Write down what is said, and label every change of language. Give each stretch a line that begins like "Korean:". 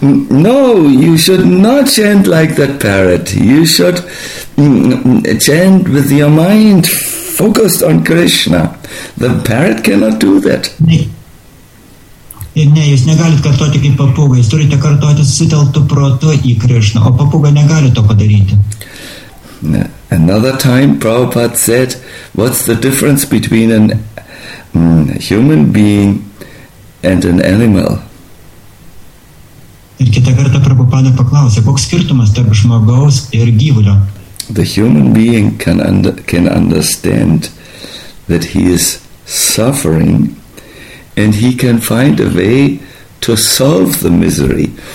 English: No, you should not chant like that parrot. You should chant with your mind focused on Krishna. The parrot cannot do that.
Lithuanian: Ir ne, jūs negalite kartuoti kaip papūgą, jūs turite kartuoti susiteltų protų į Krishną, o papūga negali to padaryti.
English: Another time Prabhupada said, what's the difference between an human being and an animal?
Lithuanian: Ir kitą kartą Prabhupada paklausė, koks skirtumas tarp žmogaus ir gyvulio?
English: The human being can understand that he is suffering, and he can find a way to solve the misery.